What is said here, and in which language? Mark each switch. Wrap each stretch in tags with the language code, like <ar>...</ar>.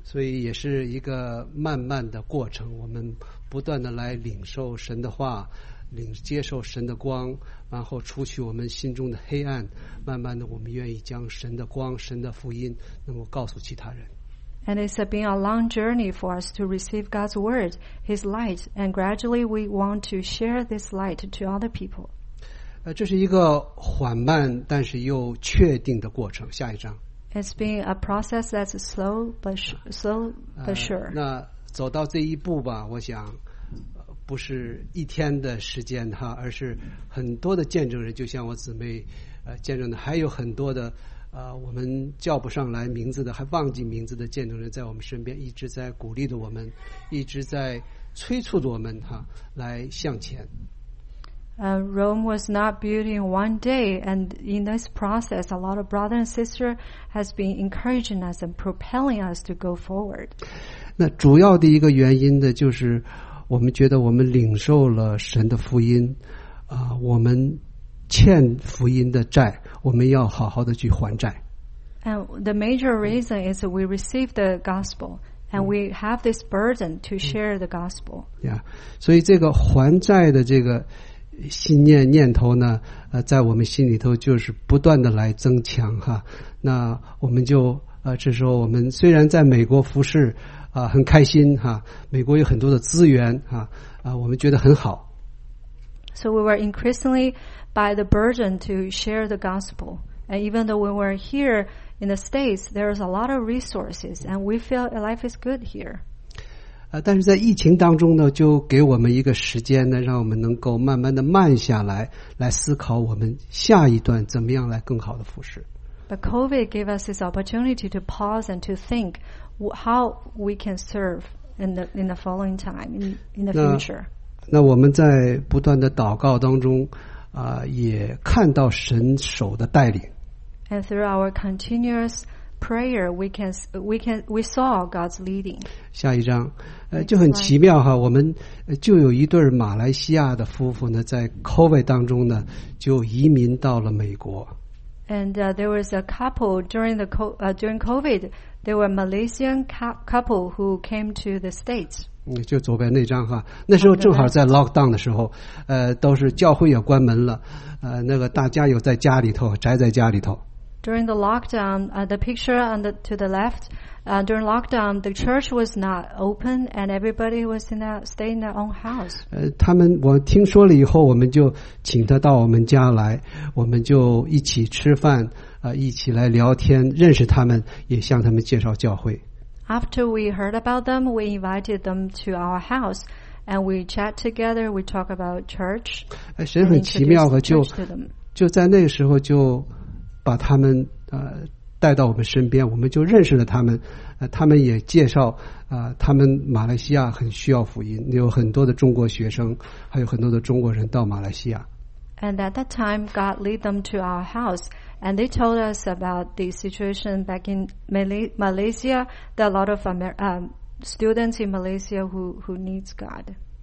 <zh>所以也是一个慢慢的过程，我们不断的来领受神的话，接受神的光，然后除去我们心中的黑暗，慢慢的我们愿意将神的光、神的福音能够告诉其他人。</zh> <en>And it's been a long journey for us to receive God's word, His light, and gradually we want to share this light to other people.</en> <zh>这是一个缓慢但是又确定的过程。下一章。</zh> <en>It's been a process that's slow but sure.</en> <zh>那走到这一步吧，我想不是一天的时间哈，而是很多的见证人，就像我姊妹见证的，还有很多的。我们叫不上来名字的，还忘记名字的见证人，在我们身边一直在鼓励着我们，一直在催促着我们哈，来向前。</zh> <en>Rome was not built in one day, and in this process, a lot of brother and sister has been encouraging us and propelling us to go forward.</en> <zh>那主要的一个原因呢，就是我们觉得我们领受了神的福音，我们欠福音的债。我们要好好的去还债。</zh> <en>And the major reason is that we receive the gospel, and we have this burden to share the gospel.</en> <zh>Yeah, 所以这个还债的这个信念念头呢，在我们心里头就是不断的来增强哈。那我们就这时候我们虽然在美国服侍很开心哈，美国有很多的资源哈，我们觉得很好。</zh> <en>So we were increasingly by the burden to share the gospel. And even though we were here in the States, there is a lot of resources, and we feel life is good here.</en> <zh>但是在疫情当中呢，就给我们一个时间呢，让我们能够慢慢的慢下来，来思考我们下一段怎么样来更好的服侍。</zh> <en>But COVID gave us this opportunity to pause and to think how we can serve in the following time, in the future.</en> <zh>那我们在不断的祷告当中也看到神手的带领。</zh> <en>And through our continuous prayer, we saw God's leading.</en> <zh>下一章，就很奇妙哈，我们就有一对马来西亚的夫妇呢，在 COVID 当中呢，就移民到了美国。</zh> <en>And there was a couple during COVID, there were Malaysian couple who came to the States.</en> <zh>就左边那张哈，那时候正好在 lockdown 的时候，都是教会也关门了，那个大家有在家里头宅在家里头。</zh> <en>During the lockdown, the picture on the to the left, during lockdown, the church was not open and everybody was in that stay in their own house.</en> <zh>他们我听说了以后，我们就请他到我们家来，我们就一起吃饭，一起来聊天，认识他们，也向他们介绍教会。</zh> <en>After we heard about them, we invited them to our house, and we chat together. We talk about church.</en> <zh>神很奇妙的就在那个时候就把他们带到我们身边，我们就认识了他们。他们也介绍他们马来西亚很需要福音，有很多的中国学生，还有很多的中国人到马来西亚。</zh> <en>And at that time, God led them to our house, and they told us about the situation back in Malaysia. There are a lot of students in Malaysia who needs God.</en>